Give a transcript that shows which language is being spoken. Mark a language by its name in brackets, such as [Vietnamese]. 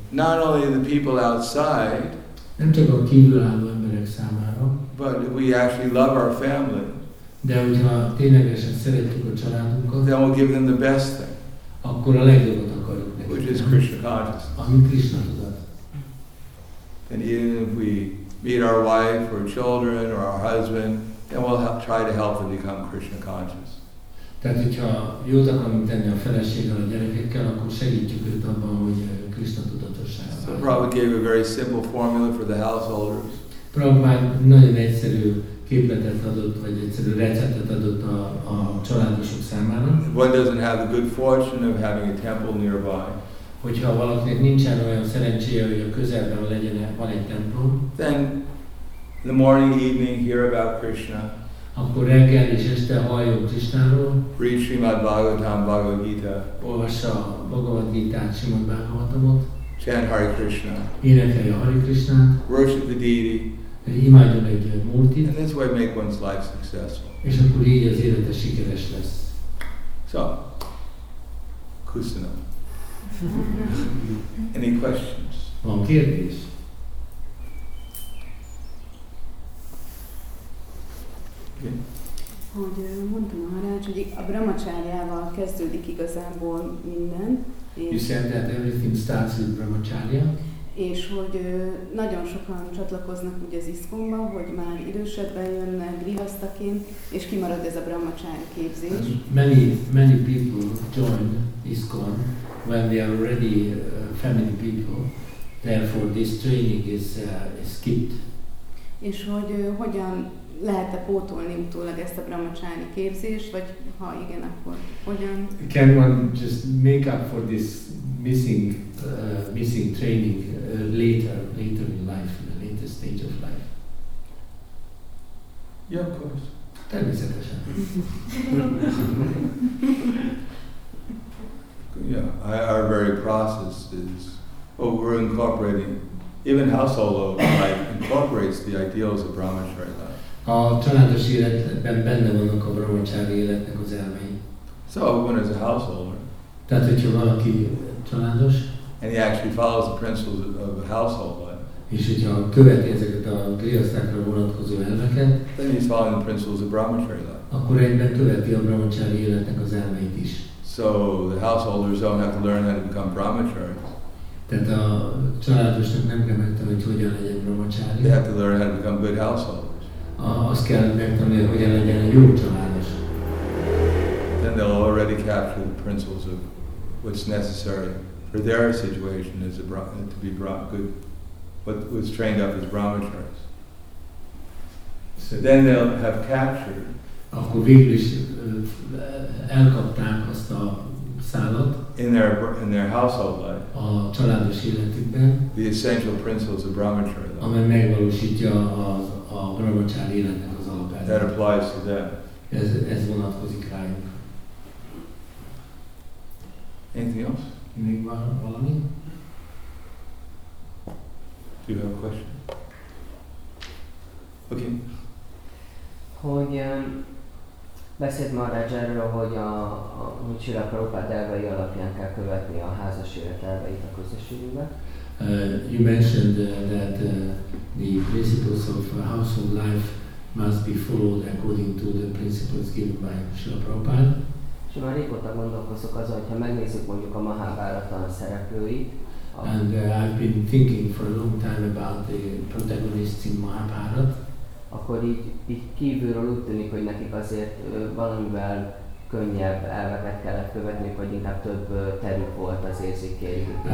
[English] Not only the people outside. [Hungarian] Nem csak a kívülálló emberek számára. [English] But we actually love our family. [Hungarian] De hogyha ténylegesen szeretjük a családunkat, [English] then we'll give them the best thing, [Hungarian] akkor a legjobbat akarjuk nekik. [English] Which is Krishna consciousness. [Hungarian] Ami Krishna tudat. [English] And even if we meet our wife or children or our husband, then we'll try to help them become Krishna conscious. [Hungarian] Tehát, hogyha jót akarunk tenni a feleséggel, a gyerekekkel, akkor segítjük őt abban, hogy Krisna tudatossá válik. [English] So Prabhupada gave a very simple formula for the householders. [Hungarian] Prabhupada nagyon egyszerű képletet adott, vagy egyszerű receptet adott a családosok számára. [English] One doesn't have the good fortune of having a temple nearby. [Hungarian] Hogyha valakinek nincsen olyan szerencséje, hogy a közelben legyen, van egy templom. [English] Then, in the morning, evening, hear about Krishna. [Hungarian] Akkor reggel és este halljon Krisnáról. [English] Read Srimad Bhagavatam, Bhagavad Gita. [Hungarian] Olvassa a Bhagavad Gita-t, Srimad Bhagavatamot. [English] Chant Hare Krishna. [Hungarian] Énekelje Hare Krishnát. [English] Worship the deity. [Hungarian] Imádjon egy Murtit. [English] And that's why make one's life successful. [Hungarian] És akkor így az élete sikeres lesz. [English] So, Kusana. Any questions? [Hungarian] Van kérdés? [English] Okay. [Hungarian] Hogy mondtam a harács, hogy a brahmacharyával kezdődik igazából minden. [English] You said that everything starts with brahmacharya. [Hungarian] És hogy nagyon sokan csatlakoznak ugye az iszkomba, hogy már idősebben jönnek grihasztaként, és kimarad ez a brahmacharya képzés. [English] Many people join iskon when they are already family people, therefore this training is skipped. [Hungarian] És hogy hogyan lehet-e pótolni utólag ezt a brahmacsári képzést, vagy ha igen, akkor hogyan? [English] Can one just make up for this missing training later in life, in a later stage of life? Yeah, of course. [Hungarian] Természetesen. [English] Yeah, our very process is, we're incorporating, even household life incorporates the ideals of brahmacharya life. [Hungarian] A családos életben benne vannak a brahmacsári életnek az elvei. [English] So when is a householder? [Hungarian] Tehát, hogyha valaki családos. [English] And he actually follows the principles of a household life. [Hungarian] És hogyha követi ezeket a grihasztákra vonatkozó elveket. [English] Then he's following the principles of brahmacharya life. [Hungarian] Akkor egyben követi a brahmacsári életnek az elveit is. [English] So the householders don't have to learn how to become brahmacharis. [Hungarian] Tehát a családosnak nem kell megtanulni, hogy hogyan legyen brahmacharis. [English] They have to learn how to become good householders. [Hungarian] Azt kell megtanulni, hogy hogyan legyen egy jó családos. [English] Then they'll already capture the principles of what's necessary for their situation as to be brought good, what was trained up as brahmacharis. So then they'll have captured. [Hungarian] Akkor végül is elkapták azt a szállat [English] in their household life, [Hungarian] a családos életükben, [English] the essential principles of brahmacharya, [Hungarian] amely megvalósítja a brahmacharya életnek az alapelveit. [English] That applies to them. [Hungarian] Ez vonatkozik rájuk. [English] Anything else? [Hungarian] Még van valami? [English] Do you have a question? Okay. [Hungarian] Hogy beszélt Maharaj erről, hogy a Srila Prabhupada elvei alapján kell követni a házas élet elveit a közösségünkben. [English] You mentioned that the principles of household life must be followed according to the principles given by Srila Prabhupada. [Hungarian] És már régóta gondolkozok azon, hogyha megnézzük mondjuk a Mahabharata szereplőit. [English] And I've been thinking for a long time about the protagonists in Mahabharata. [Hungarian] Akkor így kívülről úgy tűnik, hogy nekik azért valamivel könnyebb elveket kellett követni, vagy inkább több terük volt az érzékeik.